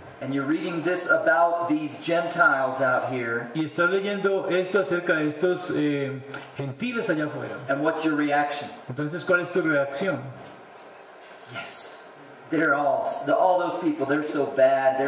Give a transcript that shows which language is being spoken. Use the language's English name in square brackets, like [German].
[English] And you're reading this about these Gentiles out here. [Spanish] Y estás leyendo esto acerca de estos gentiles allá afuera. [English] And what's your reaction? [Spanish] Entonces, ¿cuál es tu reacción? [English] Yes. They're all those people, they're so bad, they're